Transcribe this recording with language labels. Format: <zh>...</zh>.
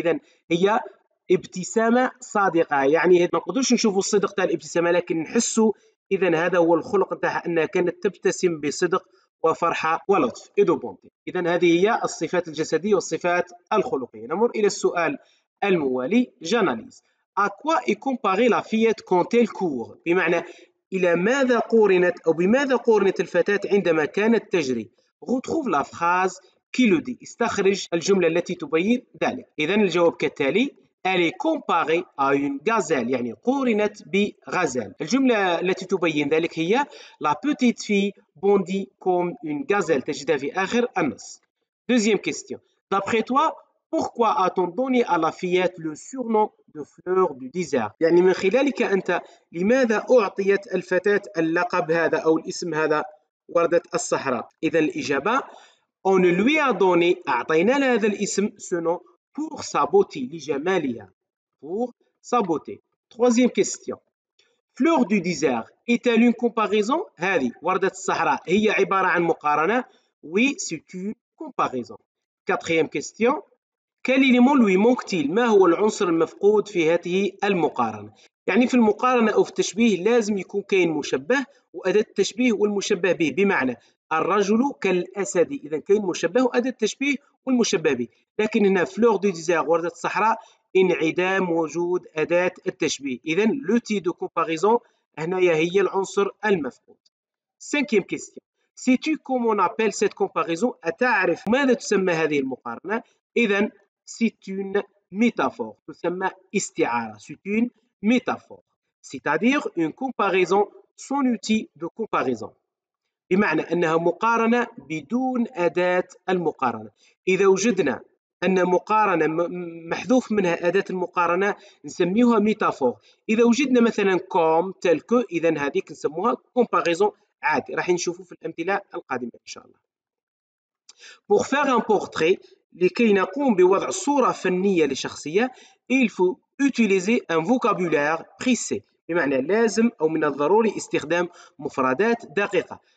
<ar>إذا هي ابتسامة صادقة، يعني ما نقدرش نشوفوا الصدق تاع الابتسامة لكن نحسوا. إذا هذا هو الخلق تاعها، أنها كانت تبتسم بصدق وفرحة ولطف،</ar> <fr>اي دو بونتي.</fr> <ar>إذا هذه هي الصفات الجسدية والصفات الخلقية. نمر إلى السؤال الموالي، جاناليز.</ar> <fr>À quoi est comparée la fillette quand elle court؟</fr> <ar>بمعنى إلى ماذا قورنت، أو بماذا قورنت الفتاة عندما كانت تجري؟</ar> <fr>Retrouve la phrase qui le dit.</fr> <ar>استخرج الجملة التي تبين ذلك. إذا الجواب كالتالي:</ar> <fr>Elle est comparée à une gazelle،</fr> <ar>يعني قورنت بغزال. الجملة التي تبين ذلك هي:</ar> <fr>La petite fille bondit comme une gazelle.</fr> <ar>تجدها في آخر النص.</ar> <fr>Deuxième question. D'après toi, pourquoi a-t-on donné à la fillette le surnom de fleur du désert؟</fr> <ar>يعني من خلالك أنت، لماذا أعطيت الفتاة اللقب هذا أو الاسم هذا، وردة الصحراء؟ إذا الإجابة:</ar> <fr>On lui a donné،</fr> <ar>أعطينا لها هذا الاسم، سنو،</ar> <fr>pour sa beauté،</fr> <ar>لجمالها.</ar> <fr>Pour sa beauté. Troisième question. Fleur du désert est-elle une comparaison؟</fr> <ar>هذه وردة الصحراء هي عبارة عن مقارنة؟</ar> <fr>Oui, c'est une comparaison. Quatrième question. Quel élément lui manque-t-il؟</fr> <ar>ما هو العنصر المفقود في هذه المقارنة؟ يعني في المقارنة أو في التشبيه لازم يكون كاين مشبه وأداة التشبيه والمشبه به، بمعنى الرجل كالأسد. إذا كاين مشبه وأداة التشبيه والمشبه به، لكن هنا فلور دو ديزير وردة الصحراء انعدام وجود أداة التشبيه. إذا</ar> <fr>لوتي دو كومباريزون</fr> <ar>هنايا هي العنصر المفقود.</ar> <fr>سانكيام كيستيون. Sais-tu comment on appelle cette comparaison؟</fr> <ar>أتعرف ماذا تسمى هذه المقارنة؟</ar> <fr>إذا c'est une métaphore،</fr> <ar>تسمى استعارة.</ar> <fr>C'est une métaphore، c'est-à-dire une comparaison sans outil de comparaison،</fr> <ar>بمعنى أنها مقارنة بدون أداة المقارنة. إذا وجدنا أن مقارنة محذوف منها أداة المقارنة نسميها ميتافور. إذا وجدنا مثلا</ar> <fr>كوم تلك،</fr> <ar>إذا هذيك نسموها كومباريزون عادي، راح نشوفه في الأمثلة القادمة إن شاء الله.</ar> <fr>Pour faire un portrait،</fr> <ar>لكي نقوم بوضع صورة فنية لشخصية،</ar> <fr>il faut utiliser un vocabulaire précis،</fr> <ar>بمعنى لازم أو من الضروري استخدام مفردات دقيقة.</ar>